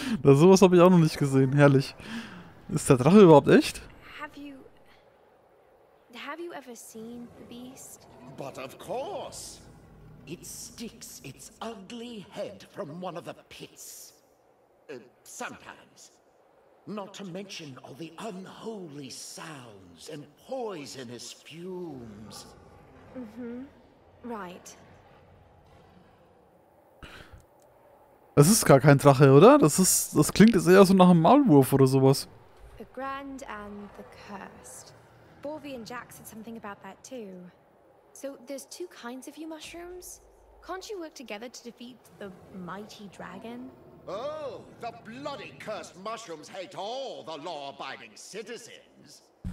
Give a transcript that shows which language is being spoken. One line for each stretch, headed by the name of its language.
German: Das, sowas habe ich auch noch nicht gesehen. Herrlich. Ist der Drache überhaupt echt?
English: Have you ever seen the beast? But of course. It sticks its ugly head from one of the pits. Sometimes. Not to mention all the unholy sounds and poisonous fumes. Mhm. Right.
German: Das ist gar kein Drache, oder? Das klingt jetzt eher so nach einem Maulwurf oder sowas.
English: The grand and the cursed. Borvi and Jack said something about that too. So there's two kinds of you mushrooms? Can't you work together to defeat the mighty dragon? Oh, the bloody cursed mushrooms hate all the law-abiding citizens.